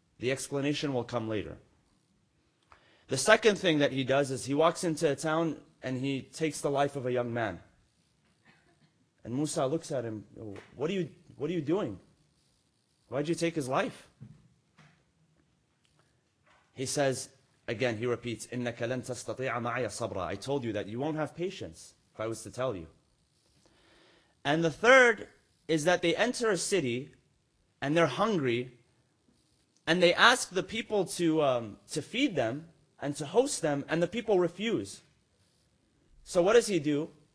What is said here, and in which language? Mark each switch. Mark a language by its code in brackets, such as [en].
[en] The explanation will come later. The second thing that he does is he walks into a town and he takes the life of a young man. And Musa looks at him, what are you doing? Why'd you take his life? He says, Again, he repeats, [ar] إِنَّكَ لَن تَسْتَطِيعَ مَعَيَ صَبْرًا. [en] I told you that you won't have patience if I was to tell you. And the third is that they enter a city and they're hungry and they ask the people to feed them and to host them, and the people refuse. So what does he do?